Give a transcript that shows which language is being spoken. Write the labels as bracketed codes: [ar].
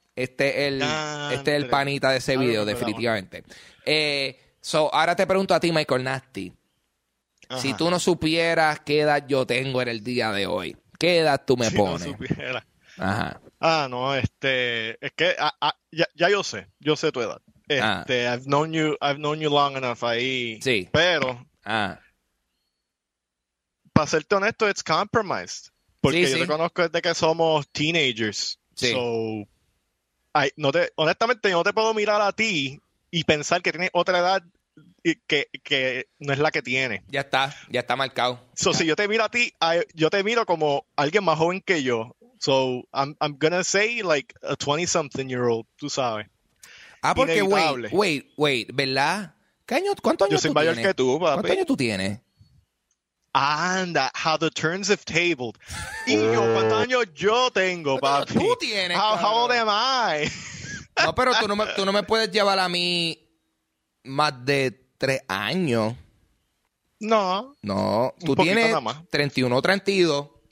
[es] Este es el panita de ese video, definitivamente. So, ahora te pregunto a ti, Michael Nasty. Ajá. Si tú no supieras qué edad yo tengo en el día de hoy, ¿qué edad tú me si pones? No supiera. Ajá. Ah, no, es que ya yo sé tu edad. [en] I've known you long enough [es] ahí. Sí. Pero, para serte honesto, [en] it's compromised. [es] Porque sí, yo sí. Te conozco desde que somos teenagers. Sí. So, honestamente, yo no te puedo mirar a ti y pensar que tienes otra edad que no es la que tienes. Ya está marcado. So, si yo te miro a ti, yo te miro como alguien más joven que yo. [en] So, I'm gonna say like a 20-something-year-old, [es] tú sabes. Ah, porque, wait, ¿verdad? ¿Cuántos años tú tienes? Yo soy mayor que tú, papi. ¿Cuántos años tú tienes? [en] Anda, how the turns have tabled. [es] Y yo, ¿cuántos años yo tengo, papi? ¿Tú tienes? [en] How old am I? [es] No, pero tú no me puedes llevar a mí más de 3 años. No. No, tú tienes 31 o 32.